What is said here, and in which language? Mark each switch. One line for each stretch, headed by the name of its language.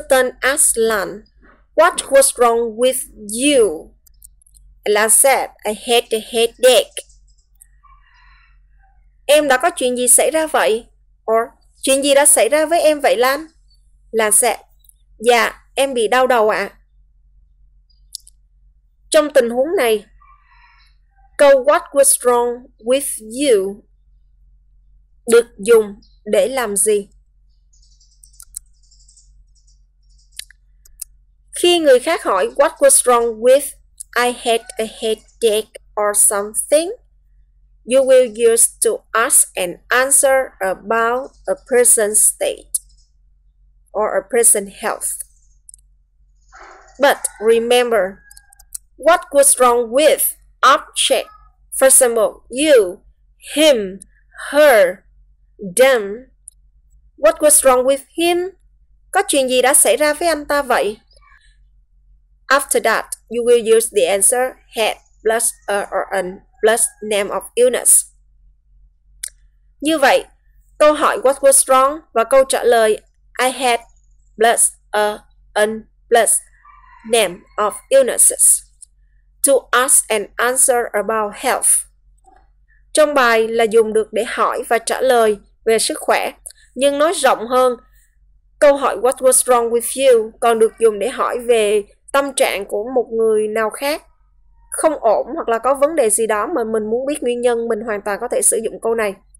English: Tân asked Lan, what was wrong with you? Lan said, I had a headache.
Vietnamese: Em đã có chuyện gì xảy ra vậy? Or, chuyện gì đã xảy ra với em vậy Lan?
English: Lan said,
Vietnamese: dạ, em bị đau đầu ạ. Trong tình huống này, câu
English: what was wrong with you
Vietnamese: được dùng để làm gì? Khi người khác hỏi
English: what was wrong with I had a headache or something, you will use to ask and answer about a person's state or a person's health. But remember, what was wrong with object, for example, you, him, her, them. What was wrong with him?
Vietnamese: Có chuyện gì đã xảy ra với anh ta vậy?
English: After that, you will use the answer had plus a or an plus name of illness.
Vietnamese: Như vậy, câu hỏi
English: what was wrong
Vietnamese: và câu trả lời
English: I had plus a an plus name of illnesses. To ask and answer about health.
Vietnamese: Trong bài là dùng được để hỏi và trả lời về sức khỏe, nhưng nói rộng hơn, câu hỏi
English: What was wrong with you
Vietnamese: còn được dùng để hỏi về tâm trạng của một người nào khác không ổn hoặc là có vấn đề gì đó mà mình muốn biết nguyên nhân, mình hoàn toàn có thể sử dụng câu này.